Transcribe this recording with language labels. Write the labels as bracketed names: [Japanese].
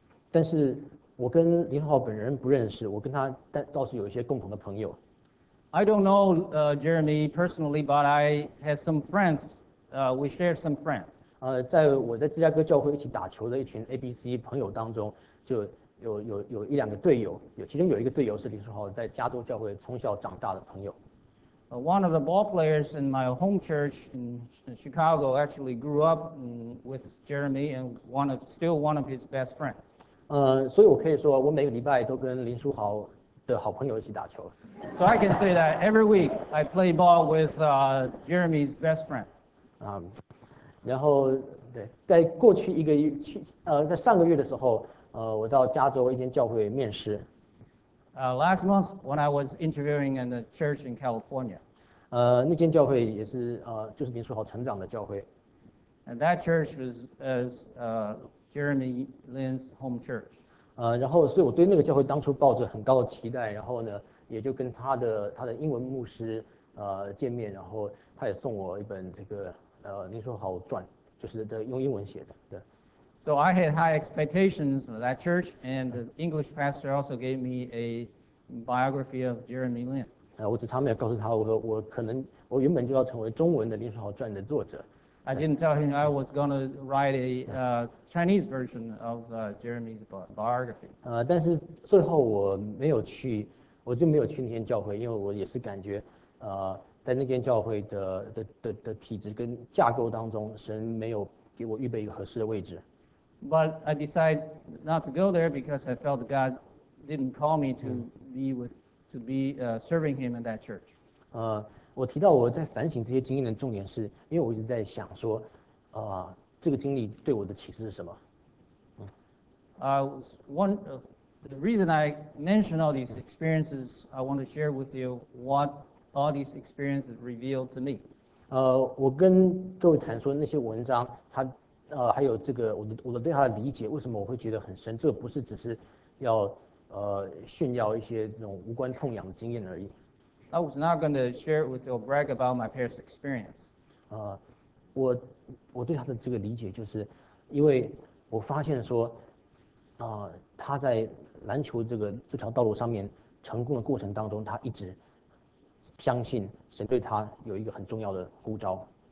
[Chinese] 但是我跟林浩本人不认识，我跟他倒是有一些共同的朋友。 [English] I don't know Jeremy personally, but I had some friends. We shared some friends. [Chinese] 在我在芝加哥教会一起打球的一群 ABC 朋友当中，就有一两个队友，其中有一个队友是李书豪在加州教会从小长大的朋友。 [English] One of the ball players in my home church in Chicago actually grew up with Jeremy and still one of his best friends. [Chinese] 所以我可以说我每个礼拜都跟林书豪的好朋友一起打球。 [English] So I can say that every week I play ball with Jeremy's best friend. [Chinese] 然后对，在过去一个月，在上个月的时候，我到加州一间教会面试。 [English] Last month, when I was interviewing in a church in California, [Chinese] 那间教会也是就是林书豪成长的教会。 [English] And that church was as Jeremy Lin's home church. [Chinese] 然后所以我对那个教会当初抱着很高的期待，然后呢，也就跟他的英文牧师见面，然后他也送我一本这个林书豪传，就是用英文写的，对。 [English] So I had high expectations of that church, and the English pastor also gave me a biography of Jeremy Lin. [Chinese] 我只差没有告诉他，我原本就要成为中文的林书豪传的作者。 [English] I didn't tell him I was going to write a Chinese version of Jeremy's biography. [Chinese] 但是最后我就没有去那间教会，因为我也是感觉，在那间教会的体制跟架构当中，神没有给我预备一个合适的位置。 [English] But I decided not to go there because I felt God didn't call me to be serving Him in that church. [Chinese] 我提到我在反省这些经验的重点是，因为我一直在想说，这个经历对我的启示是什么？ [English] The reason I mention all these experiences, I want to share with you what all these experiences revealed to me. [Chinese] 我跟各位谈说那些文章，它。还有这个我的对他的理解，为什么我会觉得很深？这个不是只是要炫耀一些这种无关痛痒的经验而已。 [English] I was not going to share with or brag about my parents' experience. [Chinese] 我对他的这个理解，就是因为我发现说，他在篮球这条道路上面成功的过程当中，他一直相信神对他有一个很重要的呼召。